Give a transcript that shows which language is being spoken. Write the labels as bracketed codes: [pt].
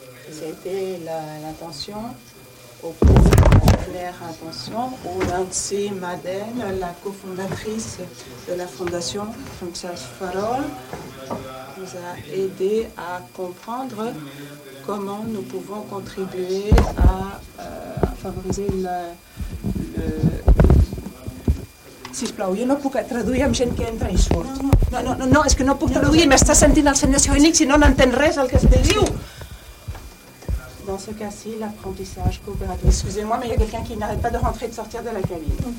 [fr] C'était l'intention, au cours de la première intention, où Nancy Madden, la cofondatrice de la fondation Francis Farol, nous a aidé à comprendre comment nous pouvons contribuer à favoriser le... [ca] Sisplau, jo no puc traduir amb gent que entra i surt. No, és que no puc traduir, m'està sentint el senyor Cyrulnik, si no n'entén res el que es diu. [fr] Dans ce cas-ci, l'apprentissage coopératif. Excusez-moi, mais il y a quelqu'un qui n'arrête pas de rentrer et de sortir de la cabine.